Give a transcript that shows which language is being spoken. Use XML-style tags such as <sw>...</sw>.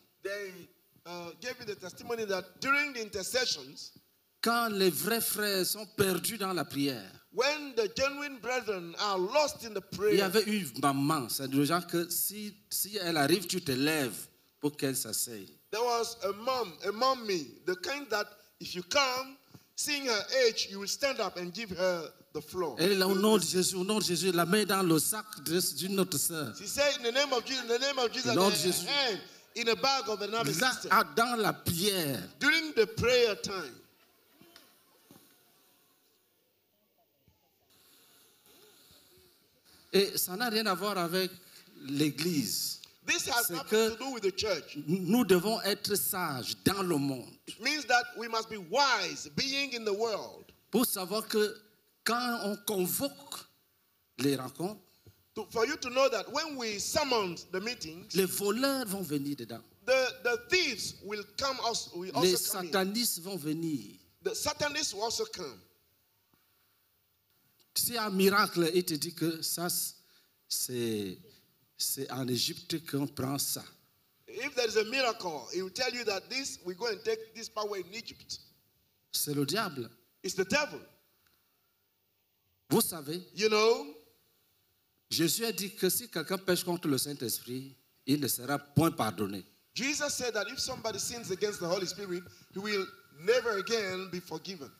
<en>gave me the testimony that during the intercessions,</en> <fr>quand les vrais frères sont perdus dans la prière,</fr> <en>when the genuine brethren are lost in the prayer,</en> <fr>il y avait une maman, c'est-à-dire genre que si elle arrive, tu te lèves pour qu'elle s'asseye.</fr> <en>There was a mommy, the kind that if you come, seeing her age, you will stand up and give her the floor.</en> <fr>Elle est là, au nom de Jésus, la main dans le sac d'une autre sœur.</fr> <en>She said, in the name of Jesus, hand in a bag of another sister.</en> <fr>Dans la prière.</fr> <en>During the prayer time.</en> <fr>Et ça n'a rien à voir avec l'Église.</fr> <en>This has nothing to do with the church.</en> <fr>Nous devons être sages dans le monde.</fr> <en>It means that we must be wise, being in the world.</en> <fr>Pour savoir que quand on convoque les rencontres,</fr> <en>for you to know that when we summon the meetings,</en> <fr>les voleurs vont venir dedans.</fr> <en>The thieves will come also.</en> <fr>Les satanistes vont venir.</fr> <en>The satanists will also come.</en> <fr>Si un miracle, il te dit que ça, c'est en Égypte qu'on prend ça.</fr> <en>If there is a miracle, he will tell you that this, we go and take this power in Egypt.</en> <fr>C'est le diable.</fr> <en>It's the devil.</en> <fr>Vous savez.</fr> <en>You know.</en> <fr>Jésus a dit que si quelqu'un pêche contre le Saint-Esprit, il ne sera point pardonné.</fr> <en>Jesus said that if somebody sins against the Holy Spirit, he will never again be forgiven.</en>